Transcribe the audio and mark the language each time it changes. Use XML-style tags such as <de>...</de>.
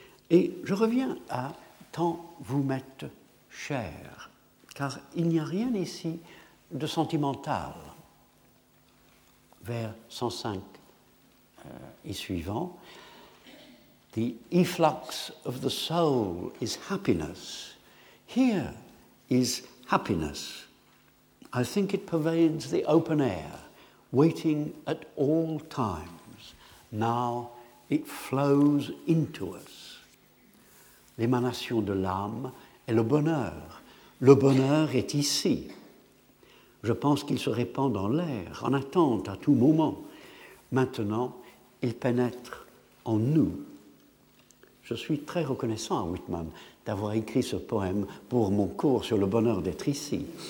<fr>Et je reviens à « tant vous m'êtes cher », car il n'y a rien ici de sentimental. Vers 105 et suivant,</fr> <en>« The efflux of the soul is happiness. Here is happiness. I think it pervades the open air, waiting at all times. Now it flows into us.</en> <fr>L'émanation de l'âme est le bonheur. Le bonheur est ici. Je pense qu'il se répand dans l'air, en attente à tout moment. Maintenant, il pénètre en nous. » Je suis très reconnaissant à Whitman d'avoir écrit ce poème pour mon cours sur le bonheur d'être ici.</fr>